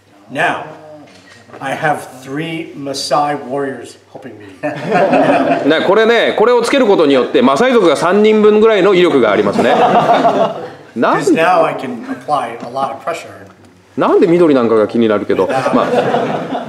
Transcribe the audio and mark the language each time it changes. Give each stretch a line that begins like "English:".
English: Now I have three Maasai warriors helping me.
Japanese: ね、これね、これをつけることによってマサイ族が3人分ぐらいの威力がありますね。なんで？
English: Because now I can apply a lot of pressure.
Japanese: なんで緑なんかが気になるけど、まあ、